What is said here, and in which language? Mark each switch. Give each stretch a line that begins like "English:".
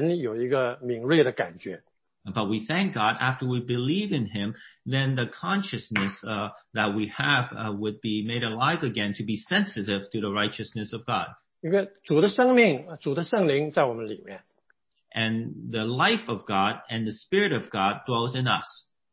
Chinese: 就感谢主,当我们信了主之后,我们里面的良心就对神有一个敏锐的感觉。
English: But we thank God, after we believe in Him, then the consciousness that we have would be made alive again to be sensitive to the righteousness of God.
Chinese: 主的生命,主的圣灵在我们里面。
English: And the life of God and the Spirit of God dwells in us.